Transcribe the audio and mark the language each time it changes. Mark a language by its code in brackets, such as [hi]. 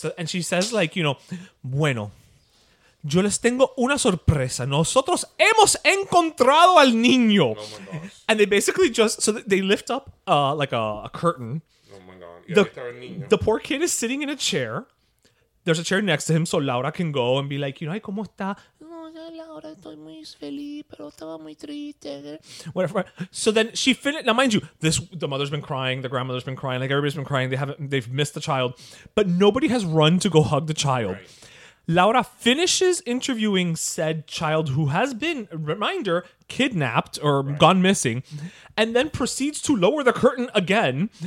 [en] And she says, like, you know, [es] bueno, yo les tengo una sorpresa. Nosotros hemos encontrado al niño. [en] Oh, and they basically just, so they lift up like a curtain. Oh, my God. The poor kid is sitting in a chair. There's a chair next to him so Laura can go and be like, you know, [es] ay, ¿cómo está? Laura, estoy muy feliz, pero estaba muy triste. [en] Whatever. So then she finished. Now, mind you, the mother's been crying, the grandmother's been crying, like everybody's been crying. They've missed the child, but nobody has run to go hug the child. Right. Laura finishes interviewing said child who has been, reminder, kidnapped or gone missing, and then proceeds to lower the curtain again.